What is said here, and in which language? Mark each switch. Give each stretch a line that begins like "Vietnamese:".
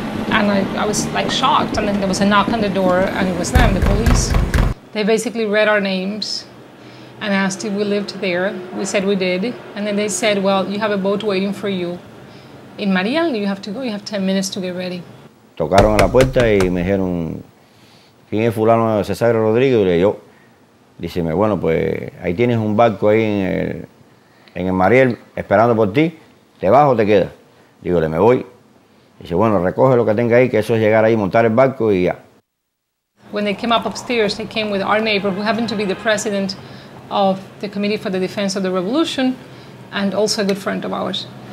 English: And I was like shocked, and then there was a knock on the door, and it was them, the police. They basically read our names and asked if we lived there. We said we did, and then they said, well, you have a boat waiting for you. In Mariel, you have to go, you have 10 minutes to get ready.
Spanish: tocaron a la puerta y me dijeron, ¿quién es fulano de César Rodríguez? Y le dije yo, díceme, bueno, pues ahí tienes un barco ahí en el Mariel esperando por ti, ¿te vas o te quedas? Digo, le me voy. Dice, bueno, recoge lo que tenga ahí, que eso es llegar ahí, montar el barco y ya.
English: When they came up upstairs, they came with our neighbor, who happened to be the president of the Committee for the Defense of the Revolution, and also a good friend of ours.